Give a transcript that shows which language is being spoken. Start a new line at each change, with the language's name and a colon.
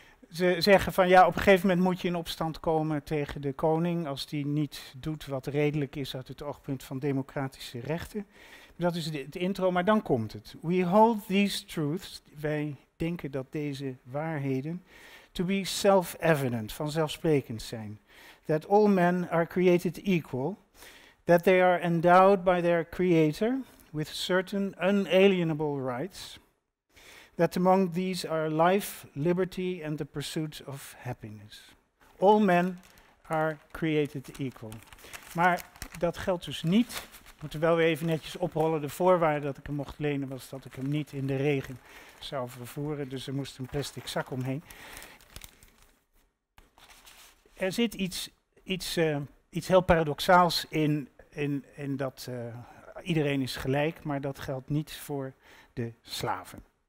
Dutch: Ze zeggen van ja, op een gegeven moment moet je in opstand komen tegen de koning als die niet doet wat redelijk is uit het oogpunt van democratische rechten. Dat is het intro, maar dan komt het.
English: We hold these truths,
Dutch: wij denken dat deze waarheden,
English: to be self-evident,
Dutch: vanzelfsprekend zijn.
English: That all men are created equal, that they are endowed by their creator with certain unalienable rights, that among these are life, liberty and the pursuit of happiness. All men are created equal.
Dutch: Maar dat geldt dus niet. We moeten wel weer even netjes oprollen. De voorwaarde dat ik hem mocht lenen was dat ik hem niet in de regen zou vervoeren. Dus er moest een plastic zak omheen. Er zit iets heel paradoxaals in dat iedereen is gelijk, maar dat geldt niet voor de slaven.